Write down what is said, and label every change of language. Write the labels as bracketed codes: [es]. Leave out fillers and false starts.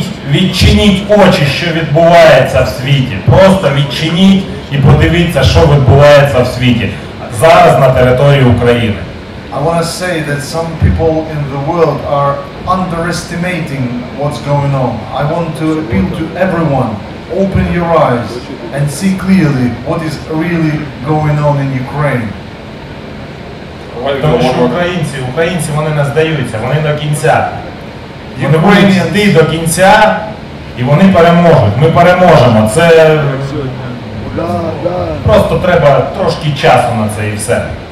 [uk] Відчиніть очі, що відбувається в світі. Просто відчиніть і подивіться, що відбувається в світі зараз на території України. [en] I want to say that some people in the world are underestimating what's going on. I want to appeal to everyone, open your eyes and see clearly what is really going on in Ukraine. [uk] Тому що українці вони не здаються, вони до кінця. Вони будуть йти до кінця і вони переможуть. Ми переможемо. Це просто треба трошки часу на це і все.